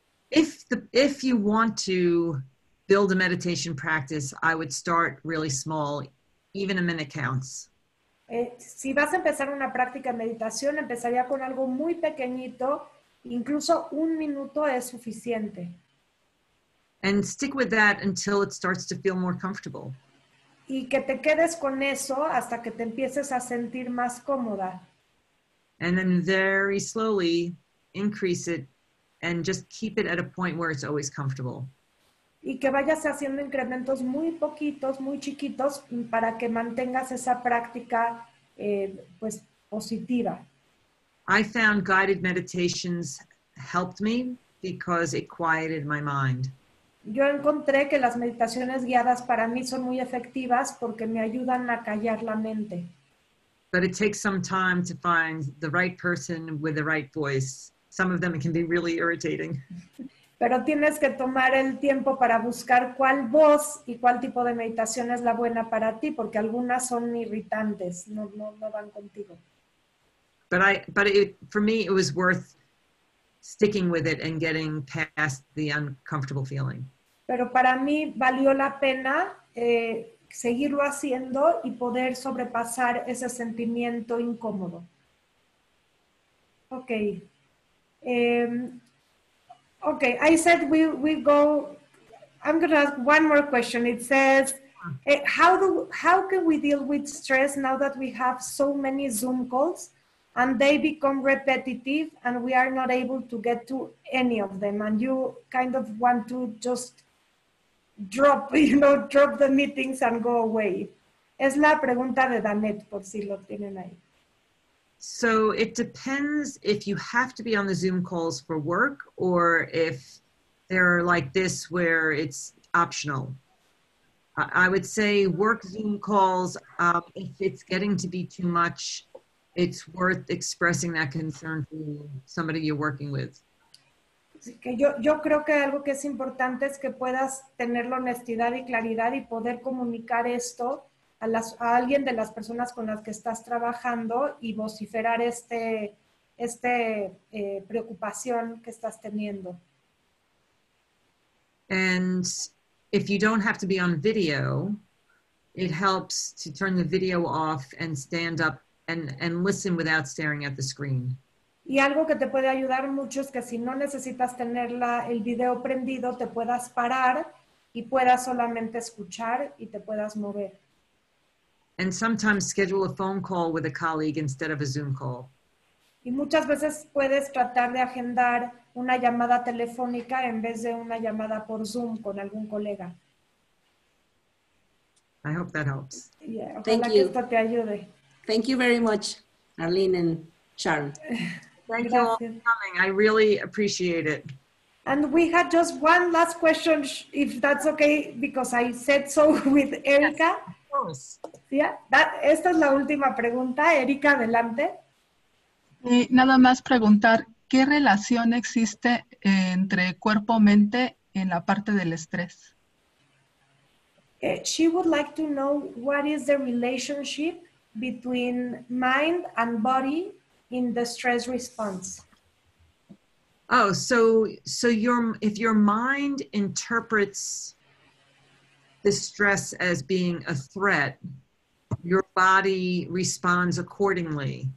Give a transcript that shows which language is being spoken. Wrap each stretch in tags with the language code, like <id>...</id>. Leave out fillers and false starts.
<en>If you want to build a meditation practice, I would start really small. Even a minute counts.</en> <es>Si vas a empezar una práctica de meditación, empezaría con algo muy pequeñito. Incluso un minuto es suficiente.</es> <en>And stick with that until it starts to feel more comfortable.</en> <es>Y que te quedes con eso hasta que te empieces a sentir más cómoda.</es> <en>And then very slowly increase it and just keep it at a point where it's always comfortable.</en> <es>Y que vayas haciendo incrementos muy poquitos, muy chiquitos, para que mantengas esa práctica pues positiva.</es> <en>I found guided meditations helped me because it quieted my mind.</en> <es>Yo encontré que las meditaciones guiadas para mí son muy efectivas porque me ayudan a callar la mente.</es> <en>But it takes some time to find the right person with the right voice. Some of them can be really irritating.</en> <es>Pero tienes que tomar el tiempo para buscar cuál voz y cuál tipo de meditación es la buena para ti, porque algunas son irritantes, no van contigo.</es> <en>But for me it was worth sticking with it and getting past the uncomfortable feeling.</en> <es>Pero para mí valió la pena seguirlo haciendo y poder sobrepasar ese sentimiento incómodo.</es> <en>Okay. Okay, I said we go. I'm going to ask one more question. It says, how can we deal with stress now that we have so many Zoom calls and they become repetitive and we are not able to get to any of them? And you kind of want to just drop the meetings and go away.</en> <es>Es la pregunta de Danette, por si lo tienen ahí.</es> <en>So it depends if you have to be on the Zoom calls for work or if they're like this where it's optional. I would say work Zoom calls, if it's getting to be too much, it's worth expressing that concern to somebody you're working with.</en> <es>Yo creo que algo que es importante es que puedas tener la honestidad y claridad y poder comunicar esto a alguien de las personas con las que estás trabajando y vociferar esta preocupación que estás teniendo.</es> <en>And if you don't have to be on video, it helps to turn the video off and stand up and listen without staring at the screen.</en> <es>Y algo que te puede ayudar mucho es que si no necesitas tener el video prendido, te puedas parar y puedas solamente escuchar y te puedas mover.</es> <en>And sometimes schedule a phone call with a colleague instead of a Zoom call.</en> <es>Y muchas veces puedes tratar de agendar una llamada telefónica en vez de una llamada por Zoom con algún colega.</es> <en>I hope that helps. Yeah, thank you.</en> <es>Ojalá que esto te ayude.</es> <en>Thank you very much, Arlene and Charles. Thank you all for coming. I really appreciate it. And we had just one last question, if that's okay, because I said so with Erika. Yes, of course.</en> <es>Yeah, esta es la última pregunta. Erika, adelante. Nada más preguntar, ¿qué relación existe entre cuerpo-mente en la parte del estrés?</es> <en>She would like to know what is the relationship between mind and body in the stress response. Oh, so if your mind interprets the stress as being a threat, your body responds accordingly.</en>